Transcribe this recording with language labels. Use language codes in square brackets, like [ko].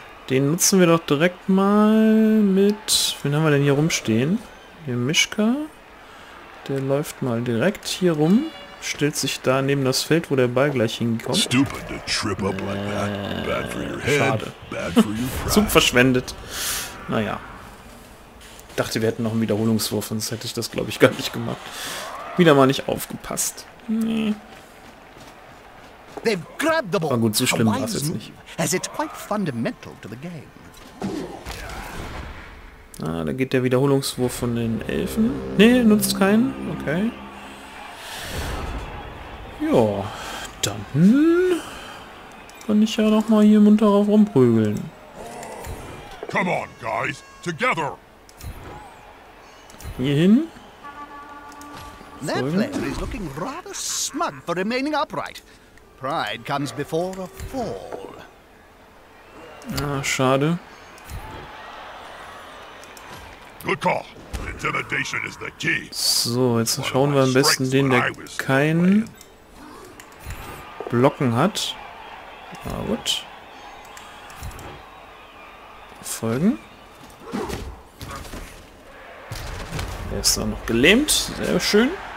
[de] Den nutzen wir doch direkt mal mit... Wen haben wir denn hier rumstehen? Hier Mischka. Der läuft mal direkt hier rum. Stellt sich da neben das Feld, wo der Ball gleich hinkommt. [en] Stupid to trip up like that. Bad for your head. [de] Schade. [en] Bad for your pride. [de] Zug verschwendet. Naja. Dachte, wir hätten noch einen Wiederholungswurf, sonst hätte ich das, glaube ich, gar nicht gemacht. Wieder mal nicht aufgepasst. Nee. Aber gut, so schlimm war es jetzt nicht. [en] Has it quite fundamental to the game. [de] Ah, da geht der Wiederholungswurf von den Elfen. Nee, nutzt keinen. Okay. Ja, dann kann ich ja noch mal hier munter drauf rumprügeln. [en] Come on, guys, together. [de] Hierhin. [en] That player is looking rather smug for remaining upright. Pride comes before a fall. [de] Ah, schade. [en] Good call. Intimidation is the key. [de] So, jetzt schauen wir am besten den, der keinen Blocken hat. Na gut. Folgen. Er ist auch noch gelähmt. Sehr schön.